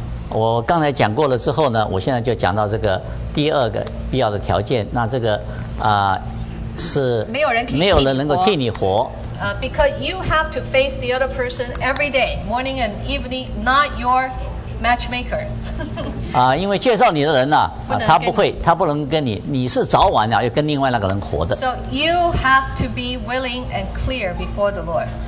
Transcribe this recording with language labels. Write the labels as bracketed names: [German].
[Chinese] 我刚才讲过了之后呢，我现在就讲到这个第二个必要的条件。那这个是没有人能够替你活。 [English] Because you have to face the other person every day, morning and evening, not your matchmaker. [Chinese] 因为介绍你的人呢、他不会，他不能跟你，你是早晚要跟另外那个人活的。 [English] So you have to be willing and clear before the Lord.